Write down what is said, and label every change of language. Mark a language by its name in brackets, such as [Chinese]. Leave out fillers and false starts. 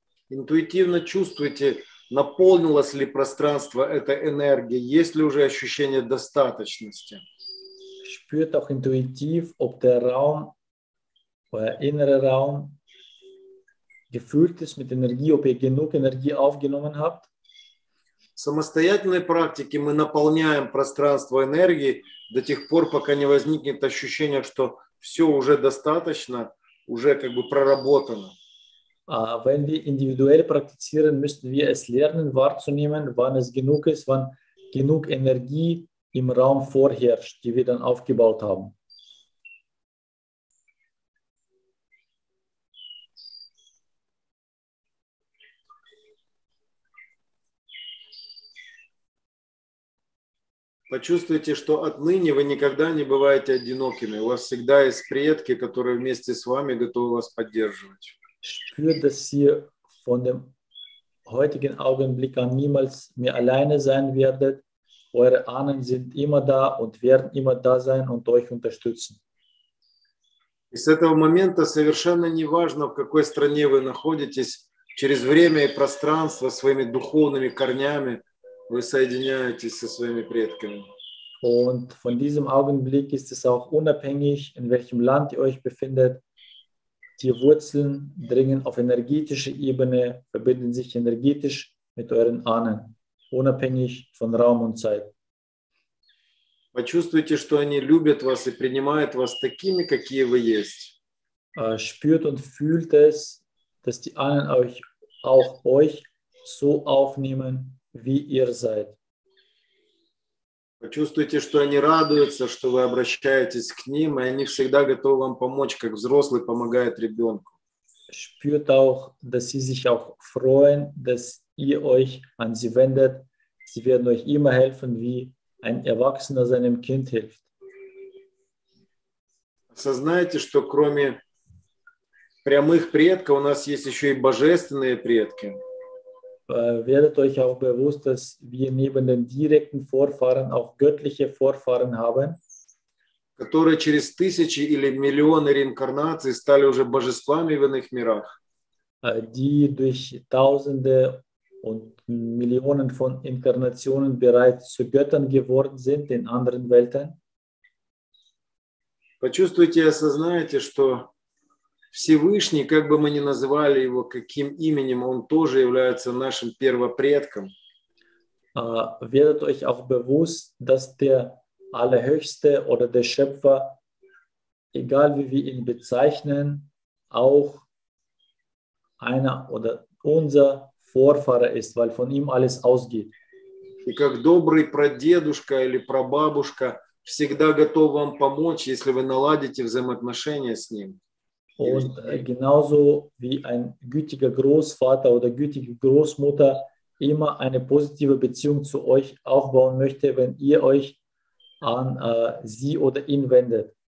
[Russian] Интуитивно чувствуете, наполнилось ли пространство этой энергией, есть ли уже ощущение достаточности? [German] Spürt auch intuitiv, ob der Raum, euer innerer Raum, gefüllt ist mit Energie, ob ihr genug Energie aufgenommen habt? [Russian] В самостоятельной практике мы наполняем пространство энергией до тех пор, пока не возникнет ощущение, что все уже достаточно, уже как бы проработано. [German] Wenn wir individuell praktizieren, müssen wir es lernen, wahrzunehmen, wann es genug ist, wann genug Energie im Raum vorherrscht, die wir dann aufgebaut haben. [Russian] Почувствуйте, что отныне вы никогда не бываете одинокими. У вас всегда есть предки, которые вместе с вами готовы вас поддерживать. [German] Spürt, dass ihr von dem heutigen Augenblick an niemals mehr alleine sein werdet. Eure Ahnen sind immer da und werden immer da sein und euch unterstützen. [Russian] И с этого момента совершенно не важно, в какой стране вы находитесь, через время и пространство своими духовными корнями вы соединяетесь со своими предками. [German] Und von diesem Augenblick ist es auch unabhängig, in welchem Land ihr euch befindet. Die Wurzeln dringen auf energetische Ebene, verbinden sich energetisch mit euren Ahnen, unabhängig von Raum und Zeit. [Russian] Почувствуйте, что они любят вас и принимают вас такими, какие вы есть. [German] Spürt und fühlt es, dass die Ahnen euch auch euch so aufnehmen, wie ihr seid. [Russian] Почувствуйте, что они радуются, что вы обращаетесь к ним, и они всегда готовы вам помочь, как взрослый помогает ребенку. [German] Spürt auch, dass sie sich auch freuen, dass ihr euch an sie wendet. Sie werden euch immer helfen, wie ein Erwachsener seinem Kind hilft. [Russian] Осознайте, что кроме прямых предков у нас есть еще и божественные предки. [German] Werdet euch auch bewusst, dass wir neben den direkten Vorfahren auch göttliche Vorfahren haben, [Russian] которые через тысячи или миллионы реинкарнаций стали уже божествами в иных мирах, [German] die durch Tausende und Millionen von Inkarnationen bereits zu Göttern geworden sind in anderen Welten. [Russian] Почувствуйте и осознайте, что Всевышний, как бы мы ни называли его, каким именем, он тоже является нашим первопредком. [German] Werdet euch auch bewusst, dass der Allerhöchste oder der Schöpfer, egal wie wir ihn bezeichnen, auch einer oder unser Vorfahrer ist, weil von ihm alles ausgeht. [Russian] И как добрый прадедушка или прабабушка всегда готов вам помочь, если вы наладите взаимоотношения с ним. [German] Und genauso wie ein gütiger Großvater oder gütige Großmutter immer eine positive Beziehung zu euch aufbauen möchte, wenn ihr euch an sie oder ihn wendet.